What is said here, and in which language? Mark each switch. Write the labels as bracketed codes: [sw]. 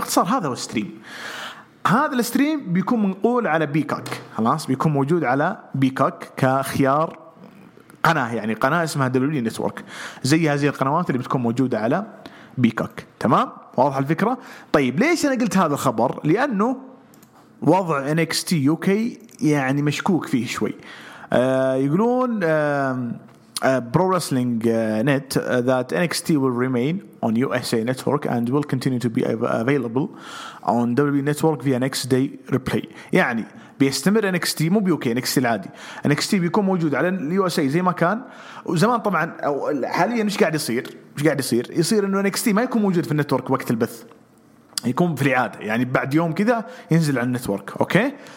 [ar] باختصار هذا هو الستريم، هذا الستريم بيكون منقول على بيكوك، خلاص بيكون موجود على بيكوك كخيار قناة، يعني قناة اسمها دبليو نتورك، زي هذه القنوات اللي بتكون موجودة على بيكوك، تمام؟ واضح الفكرة؟ طيب ليش أنا قلت هذا الخبر؟ لأنه وضع NXT UK يعني مشكوك فيه شوي. يقولون برو رسلينج نت [en] that NXT will remain on USA Network and will continue to be available on WWE Network via next day replay. [ar] يعني بيستمر NXT، مو بيوكي NXT العادي، NXT بيكون موجود على USA زي ما كان وزمان طبعا، أو حاليا مش قاعد يصير، يصير انه NXT ما يكون موجود في النتورك وقت البث، يكون في العادة يعني بعد يوم كذا ينزل على النتورك، اوكي.